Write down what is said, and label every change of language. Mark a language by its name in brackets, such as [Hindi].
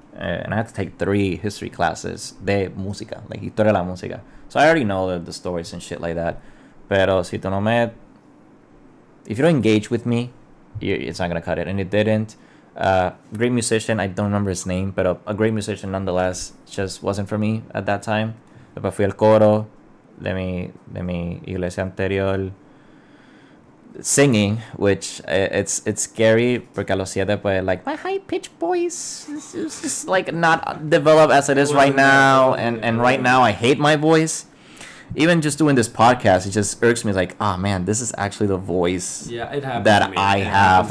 [English] And I had to take 3 history classes [Spanish] de música, [English] like [Spanish] historia de la música. [English] So I already know the stories and shit like that. [Spanish] Pero si tú no me... [English] If you don't engage with me, it's not going to cut it. And it didn't. Great musician, I don't remember his name, but a great musician nonetheless, just wasn't for me at that time. [Spanish] Después fui al coro de mi iglesia anterior. [English] Singing, which it's scary, [Spanish] porque a los 7, pues, [English] like, my high-pitched voice is just, like, not developed as it is right now, and right now I hate my voice. Even just doing this podcast, it just irks me, like, oh, man, this is actually the voice that I have.